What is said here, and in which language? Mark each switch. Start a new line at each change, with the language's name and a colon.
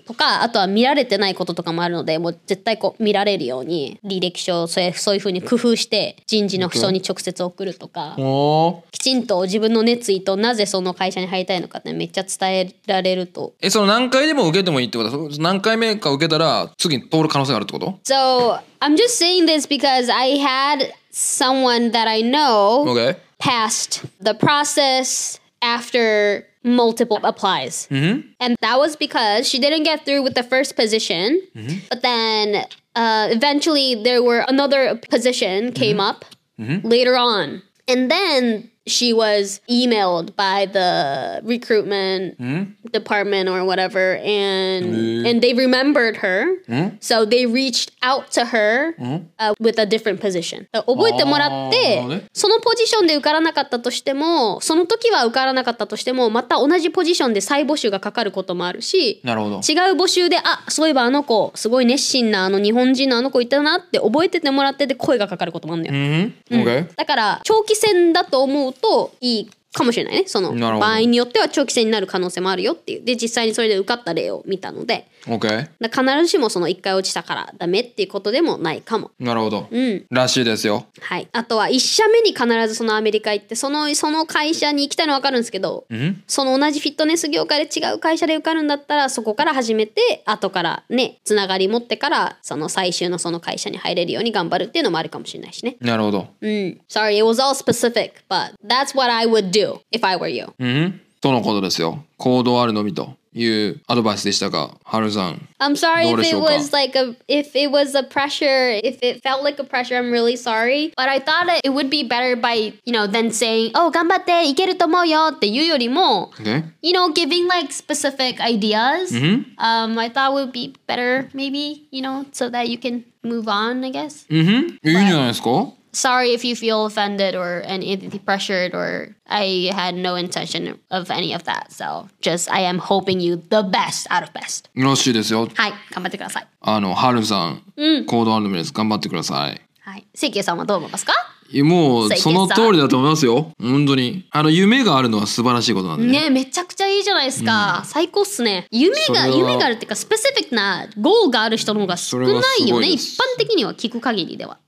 Japanese: とかあとは見られてないこととかもあるので、もう絶対こう見られるように履歴書をそういう風に工夫して。人事の人に直接送るとか、きちんと自分の熱意となぜその会社に入りたいのかってめっちゃ伝えられると、え、その何回でも受けてもいいってこと、何回目か受けたら次に通る可能性があるってこと。
English: So I'm just saying this because I had someone that I know passed the process after multiple applies. And that was because she didn't get through with the first position. But thenEventually, there were another position came up later on. And then she was emailed by the recruitment department or whatever. And they remembered her. So they reached out to her with a different position.
Japanese: 覚えてもらって、そのポジションで受からなかったとしても、その時は受からなかったとしても、また同じポジションで再募集がかかることもあるし、なるほど。違う募集で、あ、そういえばあの子、すごい熱心なあの日本人のあの子いたなって覚えててもらってて声がかかることもあるんだよ。だから、長期戦だと思うといいかもしれないね。その場合によっては長期戦になる可能性もあるよっていう。で、実際にそれで受かった例を見たので。
English: Okay.
Japanese: だ必ずしもその1回落ちたからダメっていうことでもないかも。なるほど。うん。らしいですよ。はい。あとは1社目に必ずそのアメリカ行って、その会社に行きたいの分かるんですけど、その同じフィットネス業界で違う会社で受かるんだったら、そこから始めて、後からね、つながり持ってから、その最終のその会社に入れるように頑張るっていうのもあるかもしれないしね。なるほど。うん。
English: Sorry, it was all specific, but that's what I would do if I were you.
Japanese: とのことですよ。行動あるのみと。いうアドバイスでしたか、ハルさん。
English: I'm sorry if it was like a, if it was a pressure, if it felt like a pressure, I'm really sorry. But I thought it would be better by, you know, than saying, oh,
Japanese: 頑張って、いけると思うよっていうよりも、
English: okay. you know, giving like specific ideas,、I thought would be better, maybe, you know, so that you can move on, I guess.
Japanese: いいんじゃないですか。
English: Sorry if you feel offended or any pressured, or I had no intention of any of that. So just I am hoping you the best out of best.
Japanese: よろしいですよ。はい、頑張ってください。あの、ハルさん、行動あるのみです。頑張ってください。はい、セキエさんはどう思いますか？もうその通りだと思いますよ。本当にあの夢があるのは素晴らしいことなんでね、めちゃくちゃいいじゃないですか、最高っすね。夢があるっていうか、スペシフィックなゴールがある人の方が少ないよね、一般的には聞く限りでは。